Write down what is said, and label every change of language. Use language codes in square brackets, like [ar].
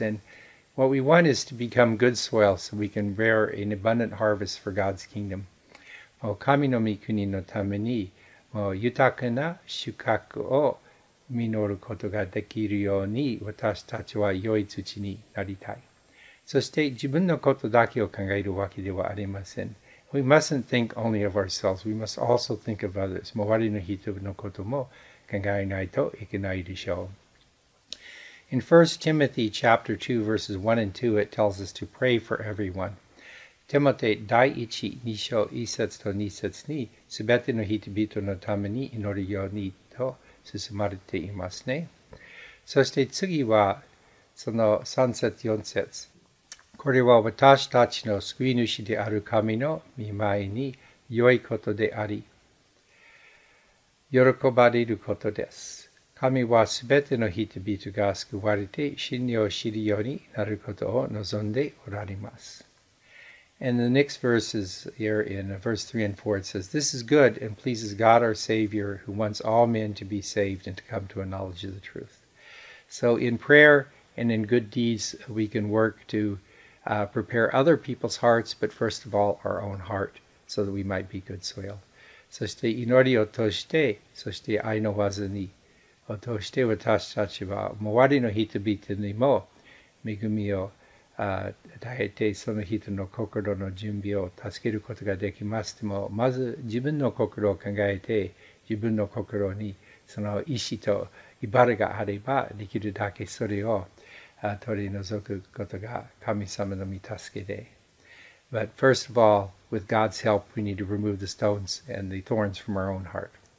[en] And what we want is to become good soil so we can bear an abundant harvest for God's kingdom. [ja] 神の御国のために豊かな収穫を実ることができるように、私たちは良い土になりたい。そして自分のことだけを考えるわけではありません。 [en] We mustn't think only of ourselves. We must also think of others. [ja] 周りの人のことも考えないといけないでしょう。 [en] In 1 Timothy chapter 2, verses 1 and 2, it tells us to pray for everyone. [ja] テモテ第一、二章、一節と二節に、すべての人々のために祈るようにと進まれていますね。そして次は、その三節、四節。これは私たちの救い主である神の御前に良いことであり、喜ばれることです。神はすべての人々が救われて真理を知るようになることを望んでおられます。 [en] And the next verse is here in verse 3 and 4. It says, This is good and pleases God our Savior, who wants all men to be saved and to come to a knowledge of the truth. So in prayer and in good deeds, we can work to prepare other people's hearts, but first of all, our own heart, so that we might be good soil. [ja] そして祈りを通して、そして愛の技に、を通して私たちは周りの人々にも恵みを与えてその人の心の準備を助けることができます。でもまず自分の心を考えて自分の心にその意志と威張があればできるだけそれを取り除くことが神様の御助けで。 [en] But first of all, with God's help, we need to remove the stones and the thorns from our own heart.